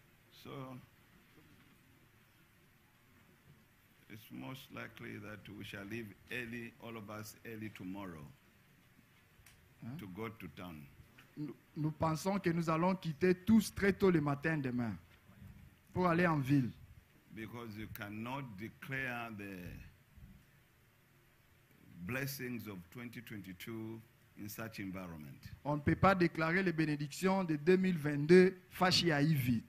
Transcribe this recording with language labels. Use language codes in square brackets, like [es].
[en] So, it's most likely that we shall leave early, all of us early tomorrow, hein? To go to town. [fr] Nous pensons que nous allons quitter tous très tôt le matin demain pour aller en ville. [en] Because you cannot declare the blessings of 2022 in such environment. [fr] On ne peut pas déclarer les bénédictions de 2022 fashi aivi.